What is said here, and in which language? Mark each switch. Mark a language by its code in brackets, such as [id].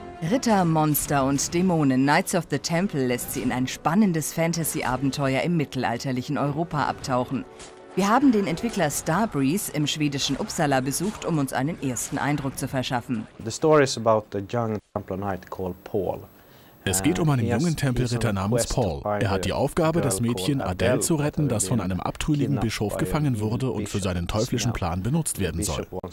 [de] Ritter, Monster und Dämonen, Knights of the Temple lässt sie in ein spannendes Fantasy-Abenteuer im mittelalterlichen Europa abtauchen. Wir haben den Entwickler Starbreeze im schwedischen Uppsala besucht, um uns einen ersten Eindruck zu verschaffen. [en] The story is about a young Templar knight called Paul. [de] Es geht um einen jungen Tempelritter namens Paul. Er hat die Aufgabe, das Mädchen Adele zu retten, das von einem abtrünnigen Bischof gefangen wurde und für seinen teuflischen Plan benutzt werden soll.